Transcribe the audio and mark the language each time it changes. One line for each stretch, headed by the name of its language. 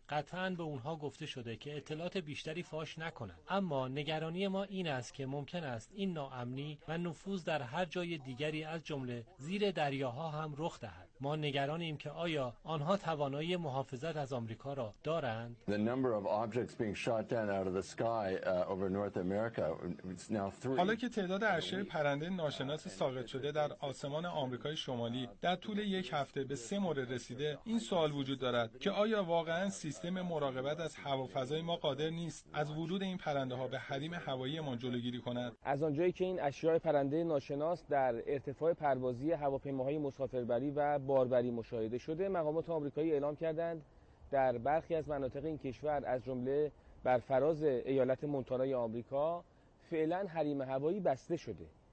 Persian: قطعاً به اونها گفته شده که اطلاعات بیشتری فاش نکنند. اما نگرانی ما این است که ممکن است این ناامنی و نفوذ در هر جای دیگری از جمله زیر دریاها هم رخ دهد. ما نگرانیم که آیا آنها توانایی محافظت از آمریکا را دارند.
English: The number of objects being shot down out of the sky over North America is now 3.
Persian: حالا که تعداد اشیاء پرنده ناشناس ساقط شده در آسمان آمریکای شمالی در طول یک هفته به 3 مورد رسیده، این سوال وجود دارد که آیا واقعاً سیستم مراقبت از هوافضای ما قادر نیست از ورود این پرنده ها به حریم هوایی ما جلوگیری کند؟ از آنجایی که این اشیاء پرنده ناشناس در ارتفاع پروازی هواپیماهای مسافربری و باربری مشاهده شده، مقامات آمریکایی اعلام کردند در برخی از مناطق این کشور از جمله بر فراز ایالت مونتانای آمریکا فعلا حریم هوایی بسته شده.